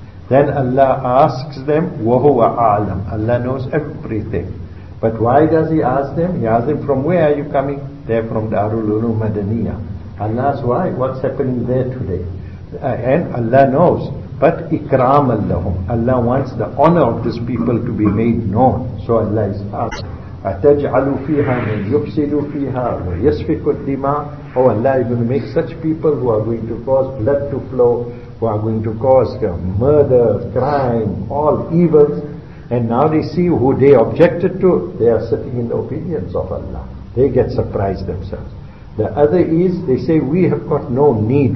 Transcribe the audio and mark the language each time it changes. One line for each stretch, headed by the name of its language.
English: Then Allah asks them, وَهُوَ alam. Allah knows everything. But why does He ask them? He asks them, from where are you coming? They're from Darul Ulum Madaniya. Allah asks, why? What's happening there today? And Allah knows. But ikram allahum. Allah wants the honor of this people to be made known. So Allah is asked,
Arabic: أَتَجْعَلُ فِيهَا مَنْ يُفْسِدُ فِيهَا وَيَسْفِكُ الدِّمَاءُ.
English: Oh Allah, you're going to make such people who are going to cause blood to flow, who are going to cause murder, crime, all evils. And now they see who they objected to. They are sitting in the obedience of Allah. They get surprised themselves. The other is, they say, we have got no need.